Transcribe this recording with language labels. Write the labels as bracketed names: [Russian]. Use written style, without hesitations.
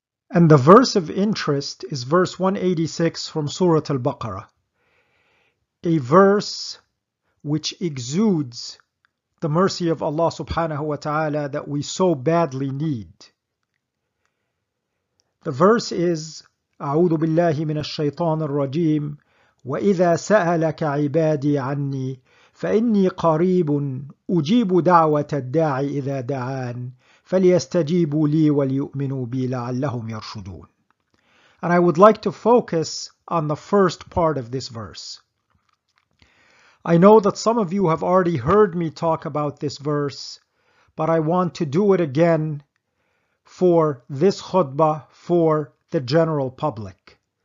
[English] And the verse of interest is verse 186 from Surah Al-Baqarah, a verse which exudes the mercy of Allah subhanahu wa ta'ala that we so badly need. The verse is, [Arabic] أعوذ بالله من الشيطان الرجيم وإذا سألك عبادي عني فإني قريب أجيب دعوة الداعي إذا دعان فَلْيَسْتَجِيبُوا لِي وَلْيُؤْمِنُوا بِي لَعَلَّهُمْ يَرْشُدُونَ. [English] And I would like to focus on the first part of this verse. I know that some of you have already heard me talk about this verse, but I want to do it again for this khutbah for the general public.